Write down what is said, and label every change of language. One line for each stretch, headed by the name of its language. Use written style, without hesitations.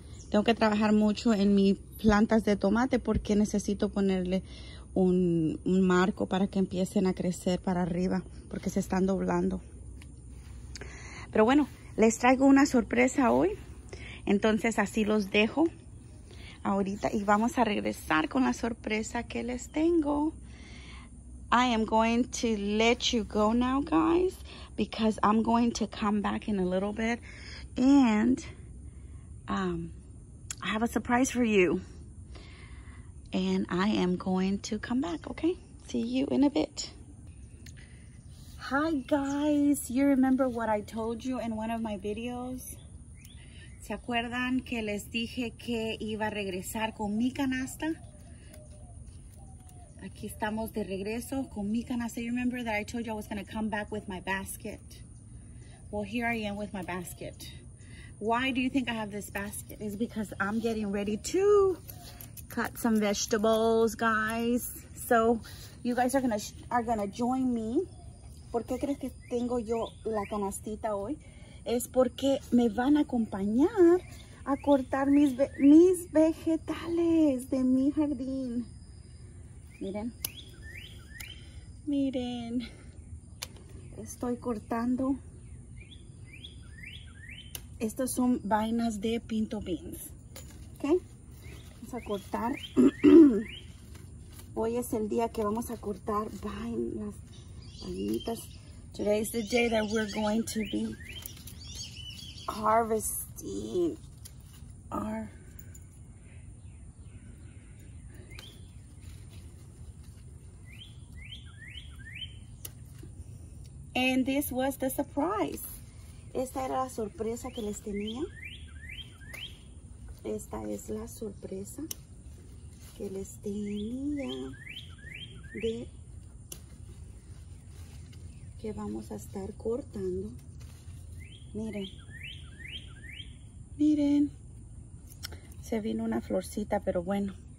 Spanish: Tengo que trabajar mucho en mis plantas de tomate porque necesito ponerle un marco para que empiecen a crecer para arriba porque se están doblando. Pero bueno, les traigo una sorpresa hoy. Entonces así los dejo ahorita y vamos a regresar con la sorpresa que les tengo.
English: I am going to let you go now, guys, because I'm going to come back in a little bit and I have a surprise for you, and I am going to come back, okay? See you in a bit. Hi, guys. You remember what I told you in one of my videos?
Spanish: ¿Se acuerdan que les dije que iba a regresar con mi canasta? Aquí estamos de regreso con mi canasta.
English: You remember that I told you I was going to come back with my basket? Well, here I am with my basket. Why do you think I have this basket? It's because I'm getting ready to cut some vegetables, guys. So, you guys are gonna join me.
Spanish: ¿Por qué crees que tengo yo la canastita hoy? Es porque me van a acompañar a cortar mis vegetales de mi jardín. Miren. Miren. Estoy cortando. Estas son vainas de pinto beans. Ok. Vamos a cortar. Hoy es el día que vamos a cortar vainas. Vainitas.
English: Today is the day that we're going to be harvesting our and this was the surprise.
Spanish: Esta era la sorpresa que les tenía. Esta es la sorpresa que les tenía de que vamos a estar cortando. Miren. Miren. Se vino una florcita, pero bueno.